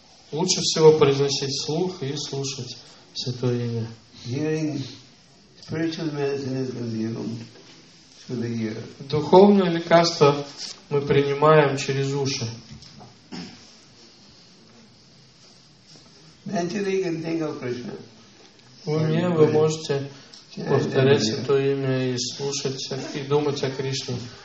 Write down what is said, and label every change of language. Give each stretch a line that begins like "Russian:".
Russian: Лучше всего произносить слух и слушать Святое Имя.
English: Hearing spiritual medicine is consumed through the ear.
Russian: Духовное лекарство мы принимаем через уши.
English: Mentally you can think of Krishna.
Russian: В уме вы можете повторять Святое Имя и слушать и думать о Кришне.